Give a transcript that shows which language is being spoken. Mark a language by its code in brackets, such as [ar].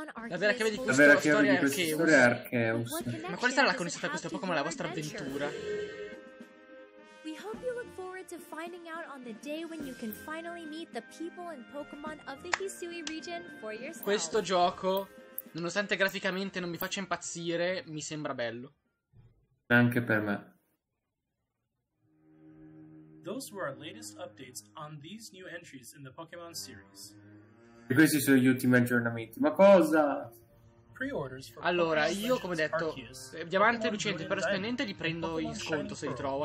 [it] La vera chiave di questa storia è Arceus. Ma quale sarà la connessione tra questo Pokémon e la vostra avventura? [en] We hope you look forward to finding out on the day when you can finally meet the people and Pokémon of the Hisui region for yourself. [it] Questo gioco, nonostante graficamente non mi faccia impazzire, mi sembra bello. Anche per me. [en] Those were our latest updates on these new entries in the Pokémon series. [it] E questi sono gli ultimi aggiornamenti. Ma cosa? Allora, io come detto, Diamante Lucente per Splendente li prendo in sconto se li trovo.